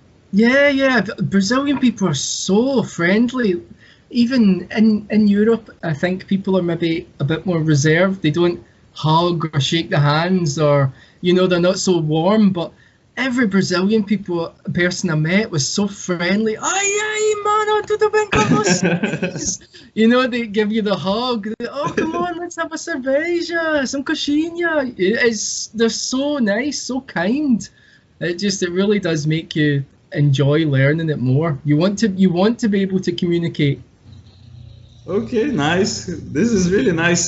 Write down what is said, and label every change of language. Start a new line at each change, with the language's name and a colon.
English: Brazilian people are so friendly. Even in Europe, I think people are maybe a bit more reserved. They don't hug or shake the hands, or you know, they're not so warm. But every Brazilian person I met was so friendly.
Portuguese: Ai, ai, mano, tudo bem com vocês?
English: You know, they give you the hug. Oh, come on, let's have a cerveja, some coxinha. They're so nice, so kind. It really does make you enjoy learning it more. You want to be able to communicate. Okay, nice. This is really nice.